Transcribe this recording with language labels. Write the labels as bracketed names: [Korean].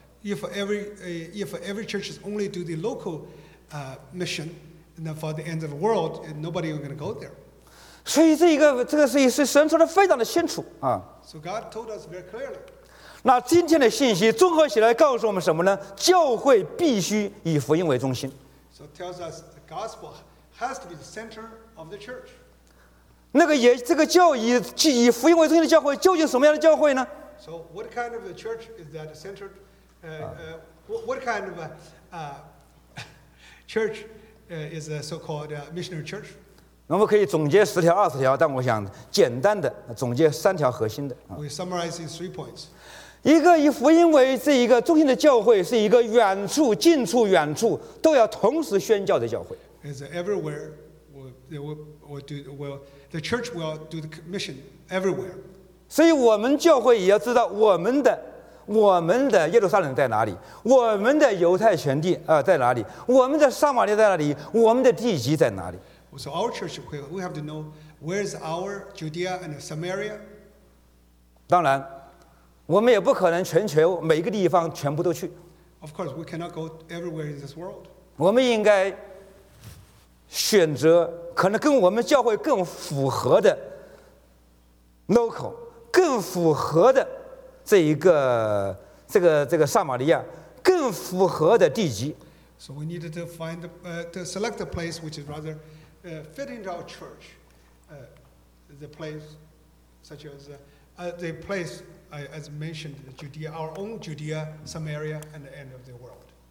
[English] If every church is only do the local mission, then for the end of the world, nobody is going to go there. [Chinese] 所以这个事情是神说的非常的清楚啊。 [English] So God told us very clearly. [Chinese] 那今天的信息综合起来告诉我们什么呢？教会必须以福音为中心。 [English] So it tells us the gospel has to be the center of the church. [Chinese] 那个也这个教以福音为中心的教会究竟什么样的教会呢 [English] ？So what kind of a church is that centered? What kind of a church is a so-called missionary church? [Chinese] 我们可以总结十条、二十条，但我想简单的总结三条核心的。 [English] We summarize in three points. [Chinese] 一个以福音为这一个中心的教会，是一个远处、近处、远处都要同时宣教的教会。 [English] Is everywhere will the church will do the mission everywhere? [Chinese] 所以我们教会也要知道我们的耶路撒冷在哪里，我们的犹太全地在哪里，我们的撒玛利亚在哪里，我们的地级在哪里。 [English] So our church, we have to know where is our Judea and Samaria. [Chinese] 当然，我们也不可能全球每个地方全部都去。 [English] Of course, we cannot go everywhere in this world. [Chinese] 我们应该选择可能跟我们教会更符合的 local， 更符合的这个撒玛利亚，更符合的地级。 [English] So we needed to find to select a place which is rather fitting to our church, the place such as the place as mentioned Judea, our own Judea, Samaria, and the end of the world.